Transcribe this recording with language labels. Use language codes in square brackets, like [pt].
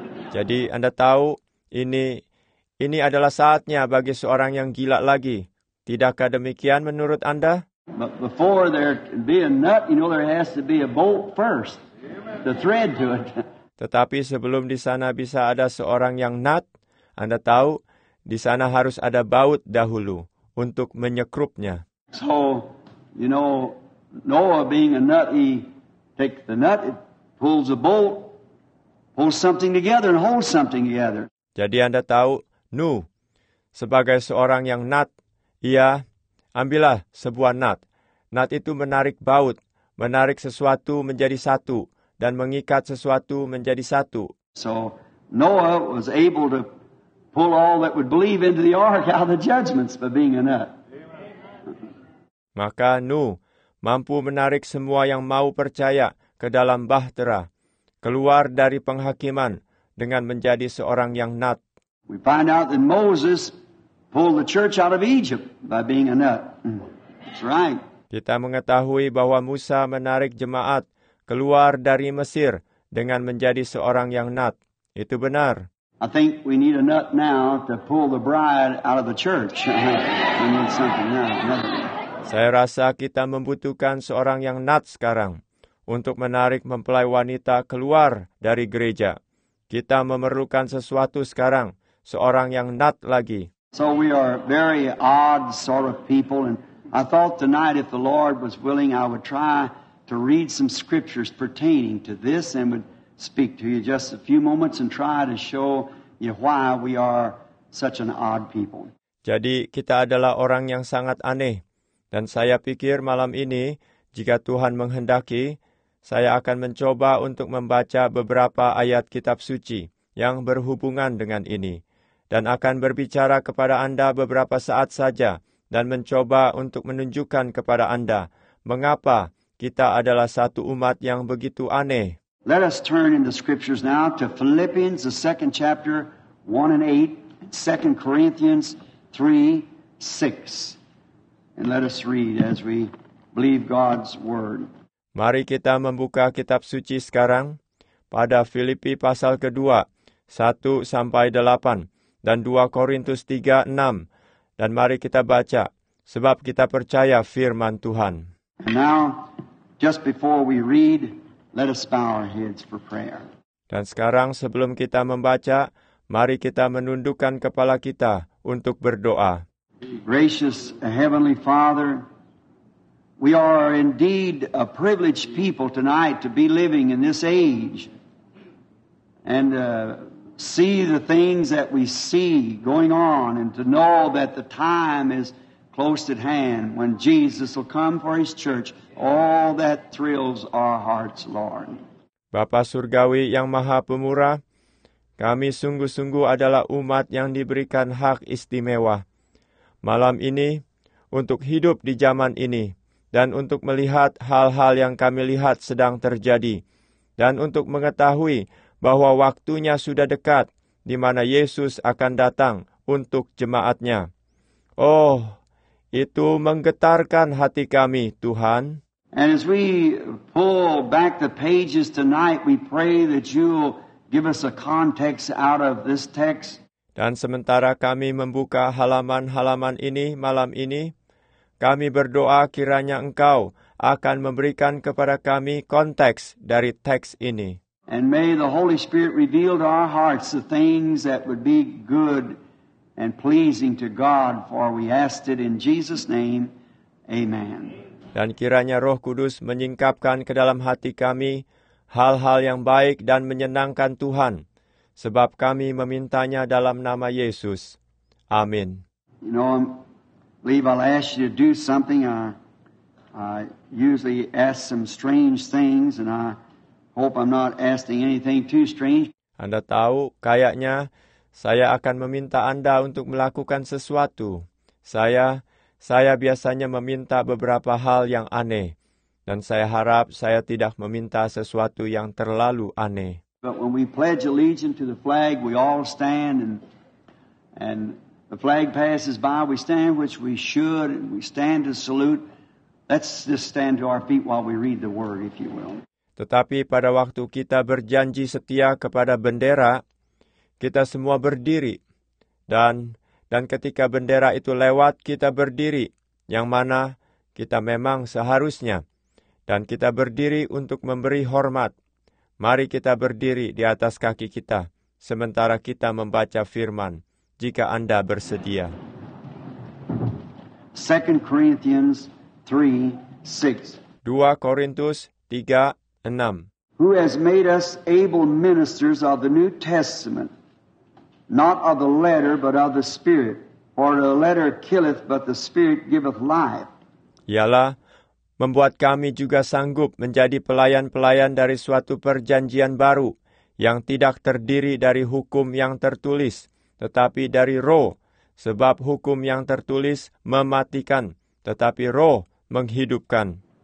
[id] Jadi Anda tahu, ini adalah saatnya bagi seorang yang gila lagi. Tidakkah demikian menurut Anda? [en] But before there can be a nut, you know there has to be a bolt first. Amen. The thread to it. [id] Tetapi sebelum di sana bisa ada seorang yang nut, Anda tahu, di sana harus ada baut dahulu untuk menyekrupnya. [en] So, you know, Noah being a nut, he takes the nut, it pulls a bolt, pulls something together and holds something together. [id] Jadi Anda tahu, Nuh, sebagai seorang yang nut, ia ambillah sebuah nut. Nut itu menarik baut, menarik sesuatu menjadi satu, dan mengikat sesuatu menjadi satu. [en] So Noah was able to pull all that would believe into the ark out of the judgments for being a nut. [id] Maka Nuh mampu menarik semua yang mau percaya ke dalam bahtera, keluar dari penghakiman dengan menjadi seorang yang nut. [en] We find out that Moses pulled the church out of Egypt by being a nut. That's right. [id] Kita mengetahui bahwa Musa menarik jemaat keluar dari Mesir dengan menjadi seorang yang nat. Itu benar. [en] I think we need a nut now to pull the bride out of the church. We need something now. [id] Saya rasa kita membutuhkan seorang yang nat sekarang untuk menarik mempelai wanita keluar dari gereja. Kita memerlukan sesuatu sekarang, seorang yang nat lagi. [en] So we are very odd sort of people, and I thought tonight if the Lord was willing, I would try to read some scriptures pertaining to this and would speak to you just a few moments and try to show you why we are such an odd people. [id] Jadi kita adalah orang yang sangat aneh. Dan saya pikir malam ini, jika Tuhan menghendaki, saya akan mencoba untuk membaca beberapa ayat kitab suci yang berhubungan dengan ini. Dan akan berbicara kepada Anda beberapa saat saja dan mencoba untuk menunjukkan kepada Anda mengapa kita adalah satu umat yang begitu aneh. [en] Let us turn in the scriptures now to Philippians, the second chapter, 1 and 8, 2 Corinthians 3, 6. And let us read as we believe God's word. [id] Mari kita membuka kitab suci sekarang pada Filipi pasal kedua, 1-8, dan 2 Korintus 3, 6. Dan mari kita baca, sebab kita percaya firman Tuhan. [en] And now, just before we read, let us bow our heads for prayer. [id] Dan sekarang sebelum kita membaca, mari kita menundukkan kepala kita untuk berdoa. [en] Gracious Heavenly Father, we are indeed a privileged people tonight to be living in this age and see the things that we see going on and to know that the time is close at hand when Jesus will come for His church. All that thrills our hearts, Lord. [id] Bapa Surgawi yang Maha Pemurah, kami sungguh-sungguh adalah umat yang diberikan hak istimewa malam ini untuk hidup di zaman ini dan untuk melihat hal-hal yang kami lihat sedang terjadi dan untuk mengetahui bahwa waktunya sudah dekat di mana Yesus akan datang untuk jemaat-Nya. Oh, itu menggetarkan hati kami, Tuhan. [en] And as we pull back the pages tonight, we pray that you'll give us a context out of this text. [id] Dan sementara kami membuka halaman-halaman ini malam ini, kami berdoa kiranya Engkau akan memberikan kepada kami konteks dari teks ini. [en] And may the Holy Spirit reveal to our hearts the things that would be good and pleasing to God, for we ask it in Jesus' name. Amen. [id] Dan kiranya Roh Kudus menyingkapkan ke dalam hati kami hal-hal yang baik dan menyenangkan Tuhan, sebab kami memintanya dalam nama Yesus. Amin. [en] You know, I'll ask you to do something. I usually ask some strange things, and I hope I'm not asking anything too strange. [id] Anda tahu, kayaknya saya akan meminta Anda untuk melakukan sesuatu. Saya biasanya meminta beberapa hal yang aneh, dan saya harap saya tidak meminta sesuatu yang terlalu aneh. [en] But when we pledge allegiance to the flag, we all stand, and the flag passes by, we stand, which we should, and we stand to salute. Let's just stand to our feet while we read the word, if you will. [id] Tetapi pada waktu kita berjanji setia kepada bendera, kita semua berdiri, dan ketika bendera itu lewat, kita berdiri, yang mana kita memang seharusnya, dan kita berdiri untuk memberi hormat. Mari kita berdiri di atas kaki kita, sementara kita membaca firman, jika Anda bersedia. [en] 2 Corinthians 3:6. [id] 2 Korintus 3:6. [en] Who has made us able ministers of the New Testament, not of the letter, but of the Spirit? For the letter killeth, but the Spirit giveth life. [id] Ialah membuat kami juga sanggup menjadi pelayan-pelayan dari suatu perjanjian baru yang tidak terdiri dari hukum yang tertulis, tetapi dari roh, sebab hukum yang tertulis mematikan, tetapi roh menghidupkan.